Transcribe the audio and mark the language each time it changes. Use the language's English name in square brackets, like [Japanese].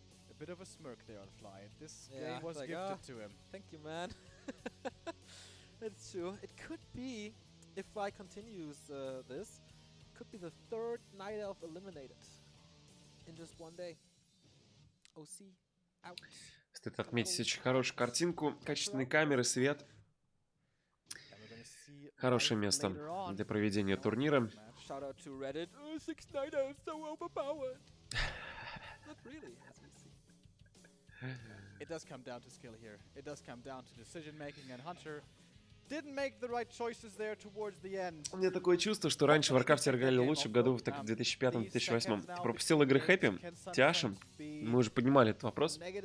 [English] A bit of a smirk there on Fly. This game was like gifted to him. Thank you, man. That's true. It could be, if Fly continues this, could be the third Night Elf eliminated in just one day. OC out. [Russian] Стоит отметить очень хорошую картинку. Качественные камеры, свет. Хорошее место для проведения турнира. [English] Shout out to Reddit. Oh, 6 Night Elf, so overpowered. Not really. It does come down to skill here. It does come down to decision making and Hunter didn't make the right choices there towards the end. [Russian] У меня такое чувство, что раньше в Warcraft играли лучше в году в 2005-2008. Ты пропустил игры Happy, Тиашем? Мы уже поднимали этот вопрос.